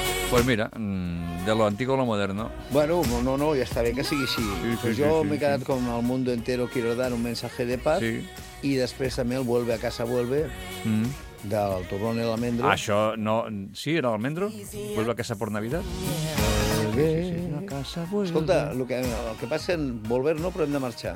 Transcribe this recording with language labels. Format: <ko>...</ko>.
<es>Pues mira, de lo antiguo a lo moderno.</es> <ca>Bueno, no, ja està bé que sigui així. Sí, m'he quedat com</ca> <es>el mundo entero quiero dar un mensaje de paz.</es> <ca>Sí. I després també el Vuelve a casa vuelve, del Turrón y el Almendro. Ah, això no... Sí, era l'Almendro?</ca> <es>Vuelve a casa por Navidad? Vuelve a casa vuelve.</es> <ca>Escolta, el que passa en volver no, però hem de marxar.</ca>